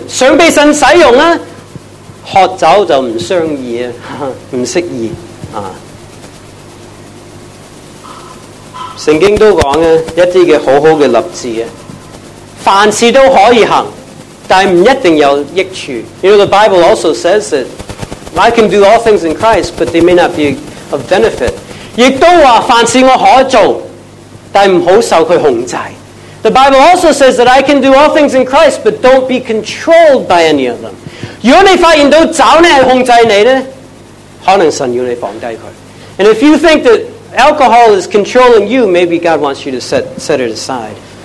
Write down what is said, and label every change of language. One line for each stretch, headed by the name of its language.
Cantonese: 想被神使用啊？喝酒就唔相宜啊，唔适宜啊。圣经都讲啊，一啲嘅好好嘅立志啊，凡事都可以行，但唔一定有益处。
English: You know, the Bible also says that I can do all things in Christ, but they may not be of benefit.
Cantonese: 亦都话凡事我可做，但唔好受佢控制。
English: The Bible also says that I can do all things in Christ, but don't be controlled by any of them.
Cantonese: 如果你发现到酒呢系控制你呢，可能神要你放低佢。
English: And if you think that alcohol is controlling you, maybe God wants you to set it aside.